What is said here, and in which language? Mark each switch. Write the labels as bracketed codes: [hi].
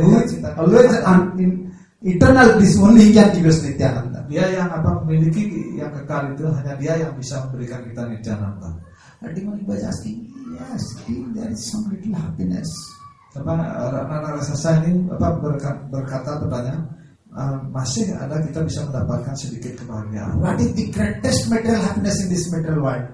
[en] Who is always in eternal bliss? Only can give us Nityananda. [id] Dia yang apa memiliki yang kekal itu hanya dia yang bisa memberikan kita Nityananda. [en] Demon is asking, yes, there is some little happiness. [id] Apa Rana Rasasa ini apa berkata bertanya masih ada kita bisa mendapatkan sedikit kebahagiaan. [en] What is the greatest material happiness in this material world?